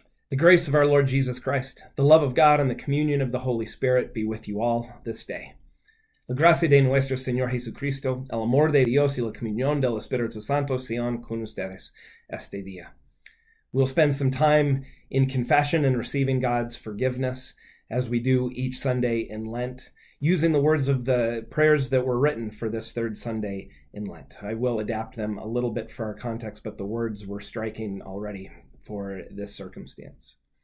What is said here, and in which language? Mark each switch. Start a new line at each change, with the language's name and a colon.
English: The grace of our Lord Jesus Christ, the love of God, and the communion of the Holy Spirit be with you all this day.
Spanish: La gracia de nuestro Señor Jesucristo, el amor de Dios y la comunión del Espíritu Santo sean con ustedes este día.
English: We'll spend some time in confession and receiving God's forgiveness as we do each Sunday in Lent, using the words of the prayers that were written for this third Sunday in Lent. I will adapt them a little bit for our context, but the words were striking already for this circumstance.